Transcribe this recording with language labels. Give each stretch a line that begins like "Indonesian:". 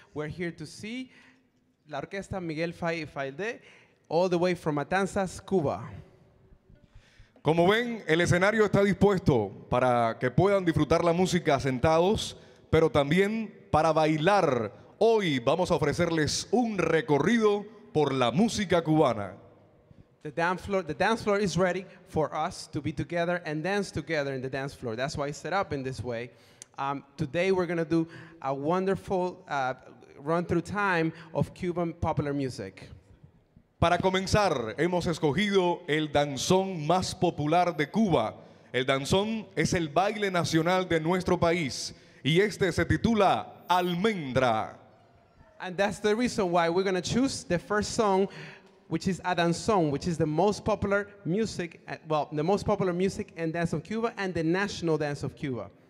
English: We're here to see la Orquesta Miguel Failde all the way from Matanzas, Cuba.
Spanish: Como ven, el escenario está dispuesto para que puedan disfrutar la música sentados, pero también para bailar. Hoy vamos a ofrecerles un recorrido por la música cubana.
English: The dance floor is ready for us to be together and dance together in the dance floor. That's why it's set up in this way. Today we're going to do a wonderful run through time of Cuban popular music.
Spanish: Para comenzar, hemos escogido el danzón más popular de Cuba. El danzón es el baile nacional de nuestro país y este se titula Almendra.
English: And that's the reason why we're going to choose the first song, which is a danzón, which is the most popular music, the most popular music and dance of Cuba and the national dance of Cuba.